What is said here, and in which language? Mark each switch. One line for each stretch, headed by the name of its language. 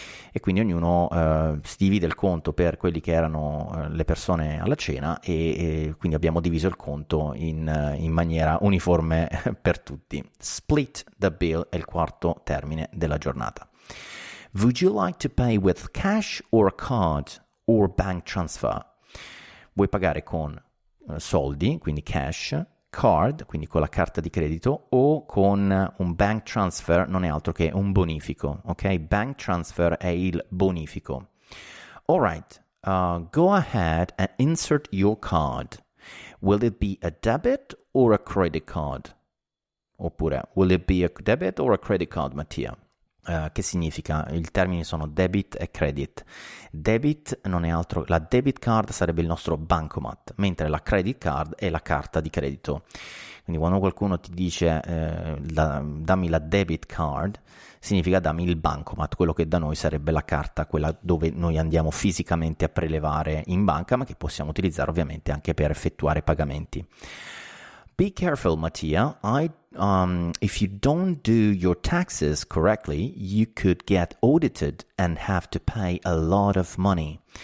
Italian: E quindi ognuno si divide il conto per quelli che erano le persone alla cena e quindi abbiamo diviso il conto in maniera uniforme per tutti. Split the bill è il quarto termine della giornata.
English: Would you like to pay with cash or card or bank transfer?
Italian: Vuoi pagare con soldi, quindi cash, card, quindi con la carta di credito, o con un bank transfer, non è altro che un bonifico, ok? Bank transfer è il bonifico.
English: All right, go ahead and insert your card. Will it be a debit or a credit card? Oppure, will it be a debit or a credit card, Mattia?
Italian: Che significa? Il termine sono debit e credit. Debit non è altro, la debit card sarebbe il nostro bancomat, mentre la credit card è la carta di credito. Quindi quando qualcuno ti dice dammi la debit card, significa dammi il bancomat, quello che da noi sarebbe la carta, quella dove noi andiamo fisicamente a prelevare in banca, ma che possiamo utilizzare ovviamente anche per effettuare pagamenti.
English: Be careful, Mattia. If you don't do your taxes correctly, you could get audited and have to pay a lot of money.